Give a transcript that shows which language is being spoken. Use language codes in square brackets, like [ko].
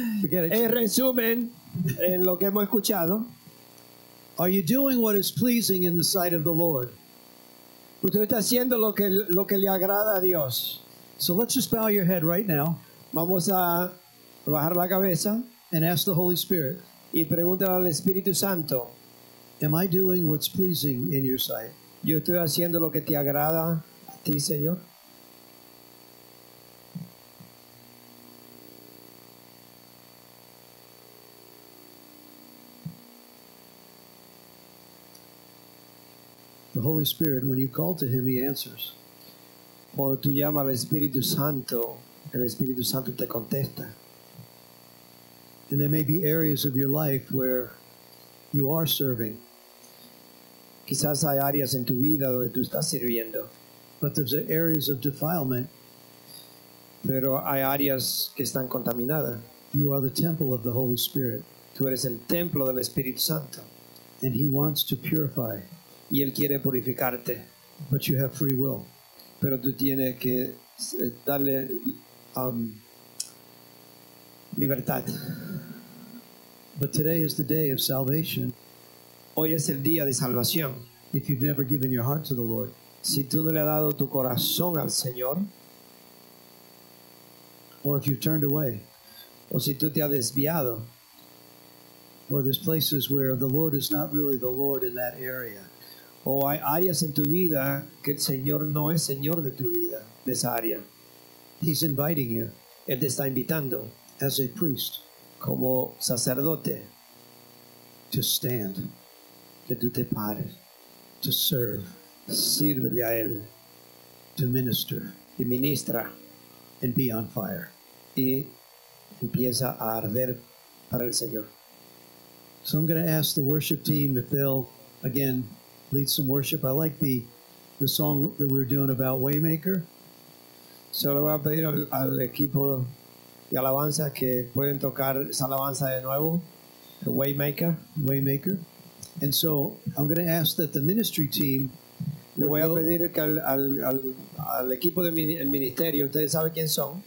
[es] En resumen, en lo que hemos escuchado, [en] are you doing what is pleasing in the sight of the Lord? [es] Usted está haciendo lo que le agrada a Dios. [en] So let's just bow your head right now. [es] Vamos a bajar la cabeza [en] and ask the Holy Spirit. [es] Y pregúntale al Espíritu Santo. [en] Am I doing what's pleasing in your sight? [es] Yo estoy haciendo lo que te agrada a ti, Señor. [en] The Holy Spirit, when you call to him, he answers. [es] Cuando tú llamas al Espíritu Santo, el Espíritu Santo te contesta. [en] And there may be areas of your life where you are serving. [es] Quizás hay áreas en tu vida donde tú estás sirviendo. [en] But there's areas of defilement. [es] Pero hay áreas que están contaminadas. [en] You are the temple of the Holy Spirit. [es] Tú eres el templo del Espíritu Santo. [en] And he wants to purify. [es] Y él quiere purificarte. [en] But you have free will. [es] Pero tú tienes que darle libertad. [en] But today is the day of salvation. [es] Hoy es el día de salvación. [en] If you've never given your heart to the Lord. [es] Si tú no le has dado tu corazón al Señor. [en] Or if you've turned away. [es] O si tú te has desviado. [en] Or there's places where the Lord is not really the Lord in that area. [es] o hay áreas en tu vida que el Señor no es Señor de tu vida, de esa área. [en] He's inviting you. [es] Él te está invitando. [en] As a priest. [es] Como sacerdote. [en] To stand. [es] Que tú te pares. [en] To serve. [es] Sírvele a Él. [en] To minister. [es] Y ministra. [en] And be on fire. [es] Y empieza a arder para el Señor. [en] So I'm going to ask the worship team if they'll, again, lead some worship. I like the song that we're doing about Waymaker. [es] So le voy a pedir al equipo de alabanza que pueden tocar esa alabanza de nuevo, Waymaker. [en] Waymaker. And so I'm going to ask that the ministry team. [es] Le voy a pedir que al equipo del ministerio, ustedes saben quién son.